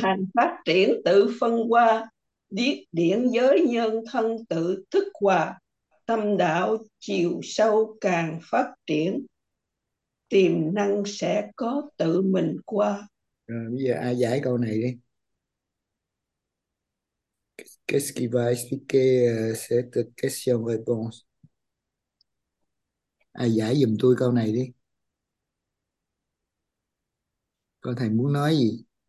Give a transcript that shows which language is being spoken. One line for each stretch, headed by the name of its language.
Vietnamese: hành phát triển tự phân hóa, điển giới nhân thân tự thức hòa, tâm đạo chiều sâu càng phát triển, tiềm năng sẽ có tự mình qua. Bây giờ ai giải câu này đi.
French: Qu'est-ce qui va expliquer cette question-réponse?
Vietnamese: À, giải giùm tôi câu này đi. Coi thầy muốn nói gì.